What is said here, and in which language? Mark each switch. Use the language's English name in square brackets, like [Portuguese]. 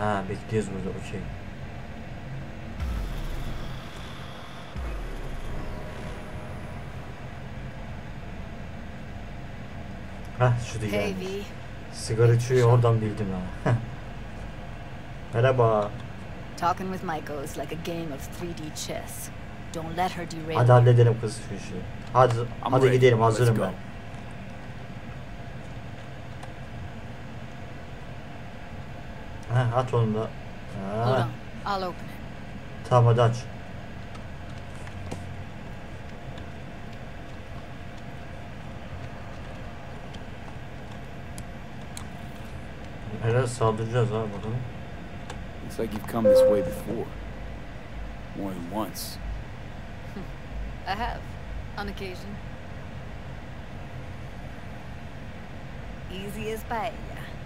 [Turkish] Bekliyoruz burada, okey. Heh, şurada gelmiş. Sigara içiyor, oradan bildim ya. Merhaba. [English] Talking with Michael is like a game of 3D chess. Don't let her derail. [Turkish] Hadi halledelim kız şu işi. Hadi, hadi gidelim, hazırım ben. Heh, at onu da. Ha. [English] I'll open it. [Turkish] Tamam, hadi aç. Herhalde saldıracağız ha bakalım. [English] Looks like you've come this way before. More than once. I have, on occasion. Easy as paella.